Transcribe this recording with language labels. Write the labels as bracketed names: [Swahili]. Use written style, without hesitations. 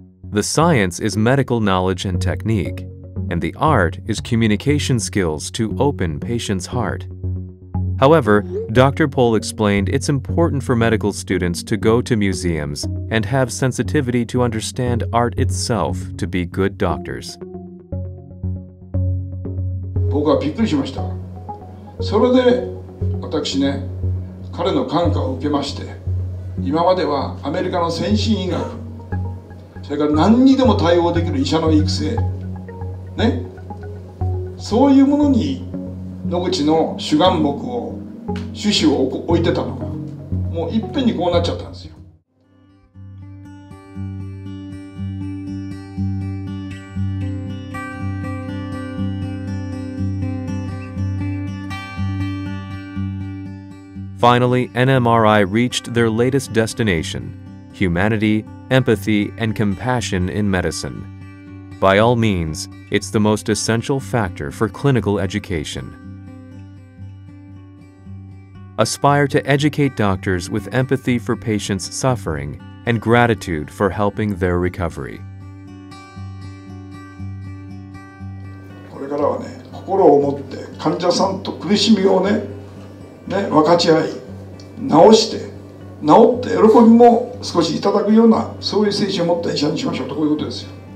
[English] The science is medical knowledge and technique, and the art is communication skills to open patient's heart. However, Dr. Pohl explained it's important for medical students to go to museums and have sensitivity to understand art itself to be good doctors. [Japanese] 僕はびっくりしました。それで私ね、彼の感化を受けまして、今まではアメリカの先進医学、それから何にでも対応できる医者の育成ね、そういうものに野口の主眼目を趣旨を置いてたのが、もういっぺんにこうなっちゃったんですよ。 [English] Finally, NMRI reached their latest destination, humanity, empathy, and compassion in medicine. By all means, it's the most essential factor for clinical education. Aspire to educate doctors with empathy for patients' suffering and gratitude for helping their recovery. [Japanese] これからはね、心を持って患者さんと苦しみをね、ね、分かち合い。治して、治って喜びも少しいただくような、そういう精神を持った医者にしましょうと、こういうことですよ。